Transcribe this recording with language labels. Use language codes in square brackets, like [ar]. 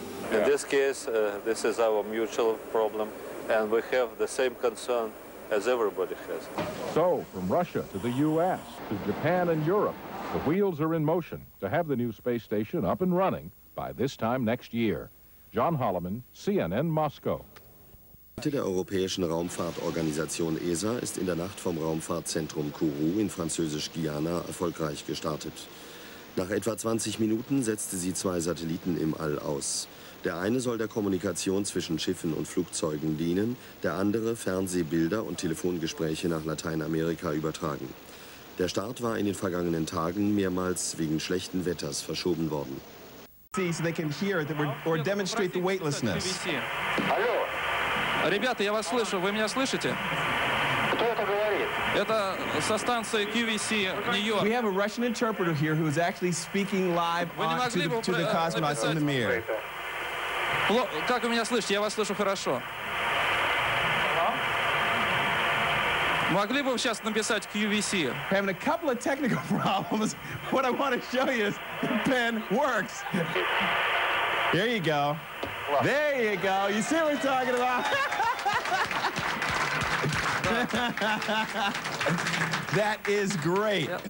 [en] In this case, this is our mutual problem, and we have the same concern as everybody has. So, from Russia to the U.S., to Japan and Europe, the wheels are in motion to have the new space station up and running by this time next year. John Holloman, CNN Moscow. [de] Die Seite der Europäischen Raumfahrtorganisation ESA ist in der Nacht vom Raumfahrtzentrum Kourou in Französisch-Guyana erfolgreich gestartet. Nach etwa 20 Minuten setzte sie 2 Satelliten im All aus. Der eine soll der Kommunikation zwischen Schiffen und Flugzeugen dienen, der andere Fernsehbilder und Telefongespräche nach Lateinamerika übertragen. Der Start war in den vergangenen Tagen mehrmals wegen schlechten Wetters verschoben worden. [en] See, so they can hear that or demonstrate the weightlessness. [ru] Ребята, я вас слышу. Вы меня слышите? Кто [en] We have a Russian interpreter here who is actually speaking live on to the cosmonauts in the Mir. [ru] Как вы меня слышите? Я вас слышу хорошо. Могли бы вы сейчас написать QVC? [en] We're having a couple of technical problems. What I want to show you is the pen works. There you go. There you go. You see what we're talking about? That is great.